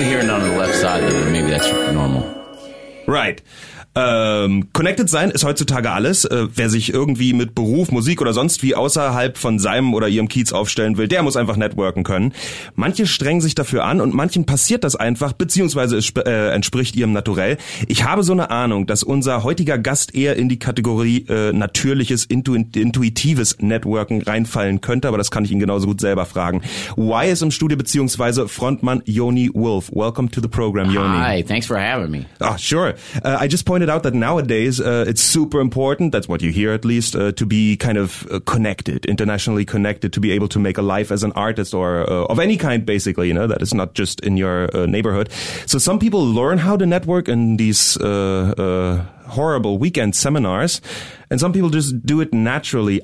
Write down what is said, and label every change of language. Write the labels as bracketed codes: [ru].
[en] on the left side, then maybe that's normal. Right. [de] Connected sein ist heutzutage alles. Wer sich irgendwie mit Beruf, Musik oder sonst wie außerhalb von seinem oder ihrem Kiez aufstellen will, der muss einfach networken können. Manche strengen sich dafür an und manchen passiert das einfach, beziehungsweise es entspricht ihrem Naturell. Ich habe so eine Ahnung, dass unser heutiger Gast eher in die Kategorie natürliches, intuitives Networken reinfallen könnte, aber das kann ich ihn genauso gut selber fragen. Y ist im Studio, beziehungsweise Frontmann Yoni Wolf. [en] Welcome to the program, Yoni. Hi, thanks for having me. Oh, sure. I just pointed out that nowadays it's super important, that's what you hear at least, to be kind of connected, internationally connected, to be able to make a life as an artist or of any kind, basically, you know, that is not just in your neighborhood. So some people learn how to network in these horrible weekend seminars, and some people just do it naturally.